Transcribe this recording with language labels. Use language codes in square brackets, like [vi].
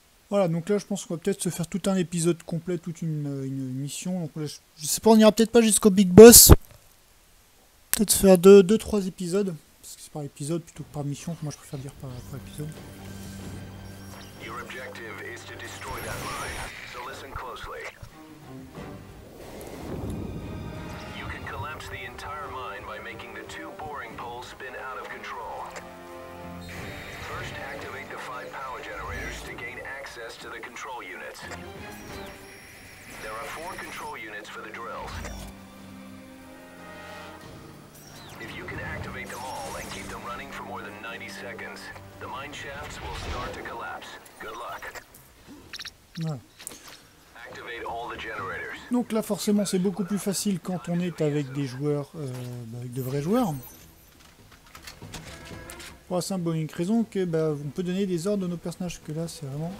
[fr] Voilà, donc là, je pense qu'on va peut-être se faire tout un épisode complet, toute une mission. Donc là, je sais pas, on ira peut-être pas jusqu'au Big Boss. Peut-être se faire deux, trois épisodes. Parce que c'est par épisode plutôt que par mission. Moi, je préfère dire par épisode. [en] Your objective is to destroy that mine, so listen closely. You can collapse the entire mine by making the two boring poles spin out of control. First, activate the five power generators to gain access to the control units. There are four control units for the drills. If you can activate them all and keep them running for more than 90 seconds, the mine shafts will start to collapse. Good luck. Activate all the generators. [fr] Donc là, forcément, c'est beaucoup plus facile quand on est avec des joueurs, avec de vrais joueurs. Pour la simple bonne raison que on peut donner des ordres à nos personnages, que là c'est vraiment.